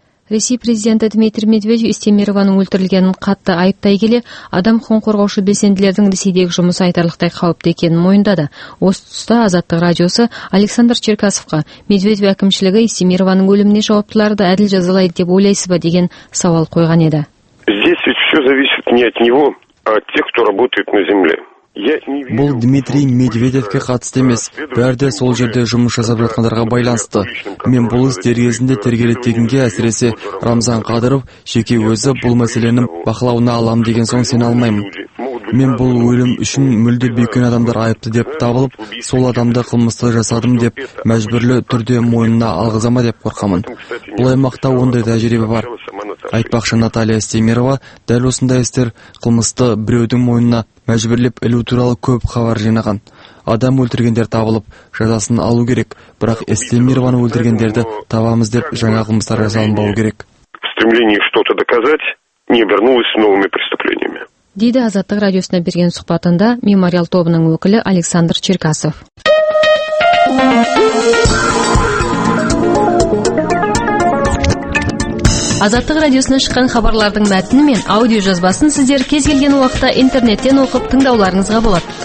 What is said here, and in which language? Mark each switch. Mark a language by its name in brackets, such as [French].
[Kazakh] Ресей президенті Дмитрий Медведев Истемированың өлтірілгенін қатты айыптай келе, адам құқығын қорғаушы белсенділердің ресейдегі жұмысы айтарлықтай қауіпті екенін мойындады. Осы тұста Азаттық радиосы Александр Черкасовқа Медведев әкімшілігі Истемированың өліміне жауаптыларды әділ жазалайды деп ойлайсыз ба деген сауал қойған еді. [Russian] Здесь ведь все зависит не от него, а от тех, кто работает на земле. [Kazakh] Бұл Дмитрий Медведевке қатысты емес, бәрде сол жерде жұмыс жасап жатқандарға байланысты. Мен бұл іс тергезінде тергелеттегінге әсіресе Рамзан Қадыров жеке өзі бұл мәселенің бақылауына алам деген соң сен алмаймын. Мен бұл өлім үшін мүлде бекін адамдар айыпты деп табылып, сол адамды қылмысты жасадым деп, мәжбүрлі түрде мойнына алғызама деп қорқамын. Бұл аймақта ондай тәжірибе бар. Айтпақшы Наталья Семирова, дәл осындай істер қылмысты біреудің мойнына мәжбүрлеп ілу туралы көп хабар жинаған. Адам өлтіргендер табылып, жазасын алу керек, бірақ Семированы өлтіргендерді табамыз деп жаңа қылмыстар жасалынбау керек. [Russian] Стремление что-то доказать не обернулось новыми преступлениями. [Kazakh] Дейді Азаттық радиосына берген сұхбатында мемориал тобының өкілі Александр Черкасов. Азаттық радиосына шыққан хабарлардың мәтіні мен аудио жазбасын сіздер кез келген уақытта интернеттен оқып тыңдауларыңызға болады.